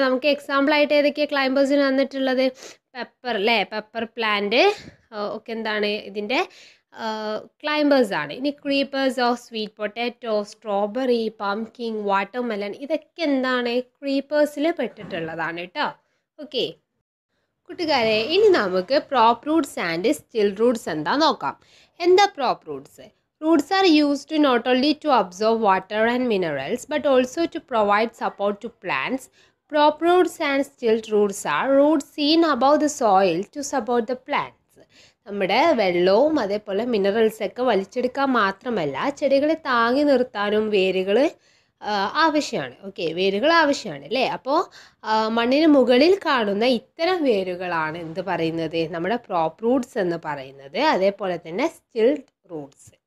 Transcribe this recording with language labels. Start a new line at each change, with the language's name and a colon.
Malayalam: നമുക്ക് എക്സാമ്പിളായിട്ട് ഏതൊക്കെയാണ് ക്ലൈംബേഴ്സിന് വന്നിട്ടുള്ളത്? പെപ്പർ അല്ലേ, പെപ്പർ പ്ലാന്റ് ഒക്കെ എന്താണ് ഇതിൻ്റെ ക്ലൈംബേഴ്സാണ്. ഇനി creepers of sweet potato, strawberry, pumpkin, watermelon, ഇതൊക്കെ എന്താണ്? ക്രീപ്പേഴ്സിൽ പെട്ടിട്ടുള്ളതാണ് കേട്ടോ. ഓക്കെ കുട്ടുകാരെ, ഇനി നമുക്ക് prop Roots and still Roots എന്താ നോക്കാം. എന്താ prop Roots?
English: Roots are used to not only to absorb water and minerals but also to provide support to plants. Prop roots and stilt roots are roots seen above the soil to support the plants.
Malayalam: നമ്മുടെ വെള്ളവും അതേപോലെ മിനറൽസൊക്കെ വലിച്ചെടുക്കാൻ മാത്രമല്ല ചെടികളെ താങ്ങി നിർത്താനും വേരുകൾ ആവശ്യമാണ്. Okay, വേരുകൾ ആവശ്യമാണ് അല്ലേ. അപ്പോൾ മണ്ണിന് മുകളിൽ കാണുന്ന ഇത്തരം വേരുകളാണ് എന്ത് പറയുന്നത്? നമ്മുടെ പ്രോപ്പ് റൂട്ട്സ് എന്ന് പറയുന്നത്. അതേപോലെ തന്നെ സ്റ്റിൽഡ് റൂട്ട്സ്.